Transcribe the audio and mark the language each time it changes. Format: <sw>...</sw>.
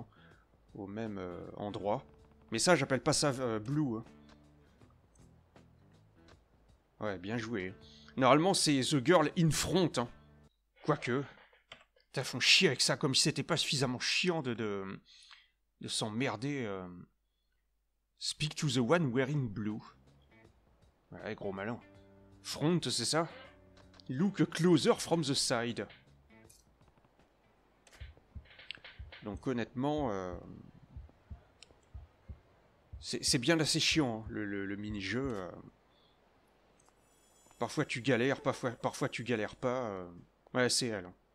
<fr>Hein, au même endroit. Mais ça, j'appelle pas ça Blue. Hein. Ouais, bien joué. Normalement, c'est The Girl in Front. Hein. Quoique. T'as fait chier avec ça, comme si c'était pas suffisamment chiant de s'emmerder.</fr> <en>Speak to the one wearing blue.</en> <fr>Ouais, gros malin. Front, c'est ça?</fr> <en>Look closer from the side.</en> <fr>Donc honnêtement, c'est bien assez chiant, hein, le mini-jeu. Parfois tu galères, parfois tu galères pas. Ouais, c'est elle. Hein.</fr>